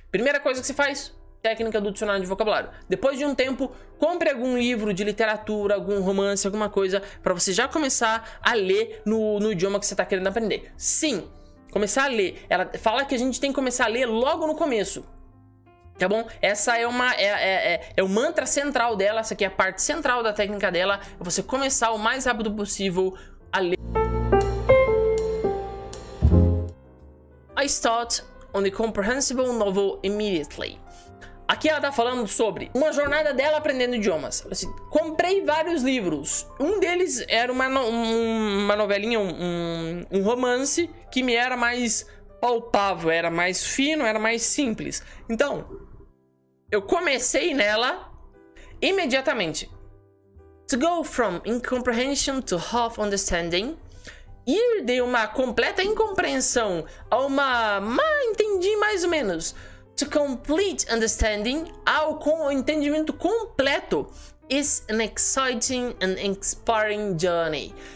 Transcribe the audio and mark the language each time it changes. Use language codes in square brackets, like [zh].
[pt] Primeira coisa que se faz, técnica do dicionário de vocabulário. Depois de um tempo, compre algum livro de literatura, algum romance, alguma coisa, pra você já começar a ler no idioma que você tá querendo aprender. Sim, começar a ler. Ela fala que a gente tem que começar a ler logo no começo. Tá bom? Essa é uma é o mantra central dela, essa aqui é a parte central da técnica dela, é você começar o mais rápido possível a ler. [en] I start on the comprehensible novel immediately. [pt] Aqui ela tá falando sobre uma jornada dela aprendendo idiomas. Assim, comprei vários livros. Um deles era uma novelinha, um romance que me era mais palpável, era mais fino, era mais simples. Então, eu comecei nela imediatamente. [en] To go from incomprehension to half understanding. [pt] Ir de uma completa incompreensão a uma má entendi mais ou menos. [en] To complete understanding [pt] ao entendimento completo [en] is an exciting and inspiring journey.